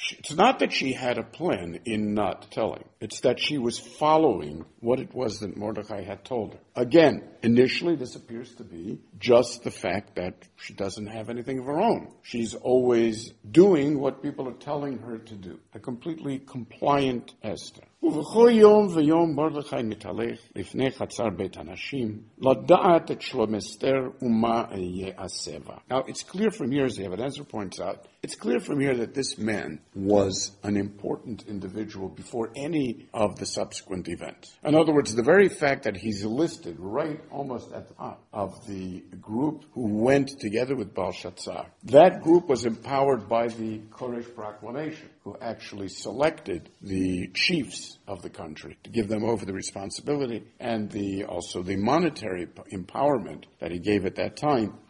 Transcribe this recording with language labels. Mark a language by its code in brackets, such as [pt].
[en] It's not that she had a plan in not telling. It's that she was following what it was that Mordechai had told her. Again, initially this appears to be just the fact that she doesn't have anything of her own. She's always doing what people are telling her to do. A completely compliant Esther. [he] ובכל יום ויום מרדכי מתהלך לפני חצר בית הנשים לדעת את שלום אסתר ומה יעשה בה. [en] Now it's clear from here, as Ebenezer points out, it's clear from here that this man was an important individual before any of the subsequent events. In other words, the very fact that he's listed right almost at the top of the group who went together with Belshazzar, that group was empowered by the Koresh proclamation, who actually selected the chiefs of the country to give them over the responsibility and also the monetary empowerment that he gave at that time.